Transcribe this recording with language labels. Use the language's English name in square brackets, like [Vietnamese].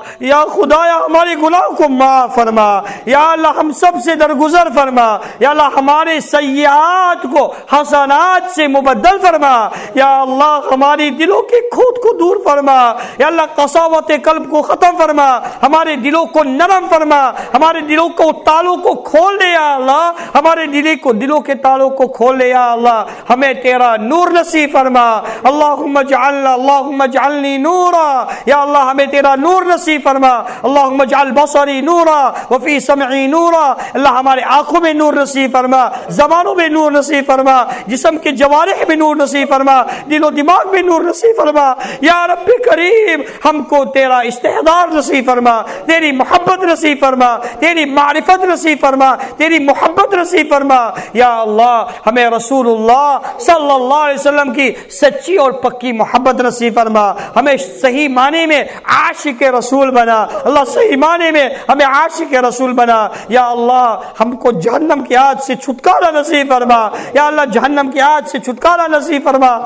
[Urdu] یا خدایا ہماری گناہوں کو معاف فرما یا اللہ ہم سب سے درگزر فرما یا اللہ ہمارے سیئات کو حسنات سے مبدل فرما یا اللہ ہماری دلوں کی کھود کو دور فرما یا اللہ قساوت قلب کو ختم فرما ہمارے دلوں کو نرم فرما ہمارے دلوں کو تالوں کو کھول دے یا اللہ ہمارے دلوں کو دل دلوں کے تالوں کو کھول لے یا اللہ, ہمیں تیرا نور نصیب فرما. [Arabic] اللہم اجعل, اللہم اجعلنی نورا, [Urdu] یا اللہ ہمیں تیرا نور نصیب فرما. [Arabic] اللہم اجعل بصری نورا وفی سمعی نورا, [Urdu] اللہ ہمارے آنکھوں میں نور نصیب فرما, زبانوں میں نور نصیب فرما, جسم کے جوارح میں نور نصیب فرما, دل و دماغ میں نور نصیب فرما. یا رب کریم ہم کو تیرا استحضار نصیب فرما, تیری محبت نصیب فرما, تیری معرفت نصیب فرما, تیری محبت نصیب فرما. یا اللہ ہمیں رسول اللہ صلی اللہ علیہ وسلم کی سچی اور پکی محبت نصیب فرما, ہمیں صحیح معنی میں عاشق رسول بنا. اللہ صحیح معنی میں ہمیں عاشق رسول بنا. یا اللہ ہم کو جہنم کی آج سے چھٹکارا نصیب فرما, یا اللہ جہنم کی آج سے چھٹکارا نصیب فرما.